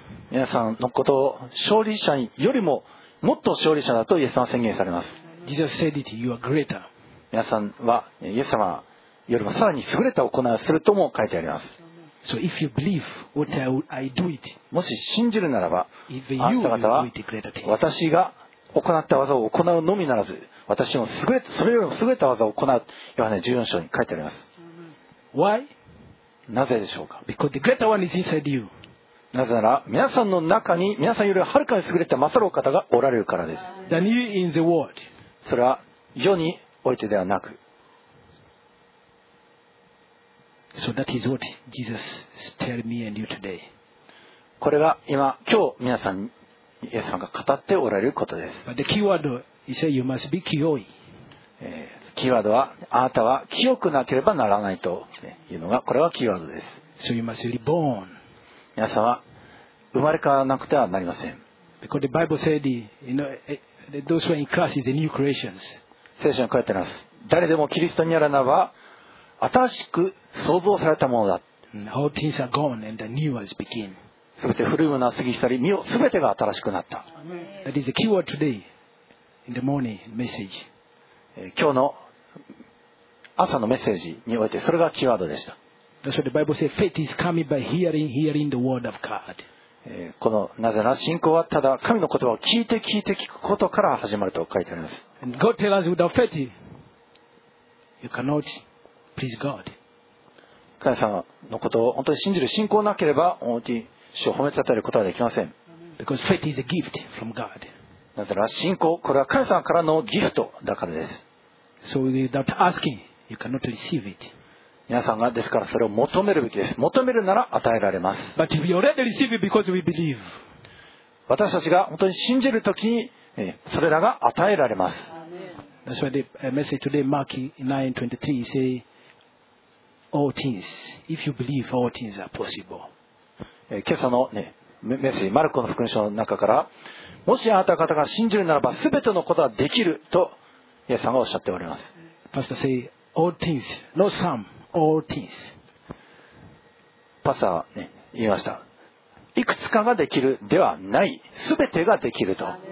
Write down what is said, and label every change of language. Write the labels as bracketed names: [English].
[Japanese] 皆さんのことを勝利者よりももっと勝利者だとイエス様は宣言されます。 [English] イエス様は you are greater. [Japanese] 皆さんはイエス様よりもさらに優れた行いをするとも書いてあります。 [English] So if you believe what I do it, [Japanese] もし信じるならば、あなた方は私が行った技を行うのみならず、私のすべてそれよりも優れた技を行う。ヨハネ14章に書いてあります。 [English] Why? [Japanese] なぜでしょうか。 [English] Because the greater one is inside you. [Japanese] なぜなら皆さんの中に皆さんよりはるかに優れた勝るお方がおられるからです。 [English] Than you in the world. [Japanese] それは世においてではなく。 [English] So that is what Jesus is telling me and you today. [Japanese] これが今日皆さんにイエス様が語っておられることです。 [English] But the keyword, he said, you must be pure. [Japanese] キーワードはあなたは清くなければならないというのがこれはキーワードです。 [English] So you must be reborn. [Japanese] 皆さんは生まれ変わらなくてはなりません。 [English] Because the Bible said, you know, those who are in Christ is the new creations. [Japanese] 聖書に書いてあります。誰でもキリストにあるならば新しく創造されたものだ。 [English] All things are gone and the new has begun. [Japanese] すべて古いものは過ぎ去り、見よ、すべてが新しくなった。 [English] That is the keyword today in the morning message. [Japanese] 今日の朝のメッセージにおいてそれがキーワードでした。 [English] That's what the Bible says. Faith is coming by hearing, hearing the word of God. [Japanese] このなぜなら信仰はただ神の言葉を聞いて聞いて聞くことから始まると書いてあります。 [English] And God tells us without faith, you cannot please God. [Japanese] 神様のことを本当に信じる信仰なければ本当に主を褒めたたえることはできません。 [English] Because faith is a gift from God. [Japanese] なぜなら信仰、これは神様からのギフトだからです。 [English] So without asking, you cannot receive it. [Japanese] 皆さんがですからそれを求めるべきです。求めるなら与えられます。 [English] But we already receive it because we believe. [Japanese] 私たちが本当に信じるときにそれらが与えられます。 [English] That's why the message today, Mark 9:23, say, all things, if you believe, all things are possible. [Japanese] 今朝のね、メッセージマルコの福音書の中から、もしあなた方が信じるならば全てのことはできるとイエスさんがおっしゃっております。 [English] パスタ say all things, not some, all things. [Japanese] パスタは、ね、言いました、いくつかができるではない、全てができると。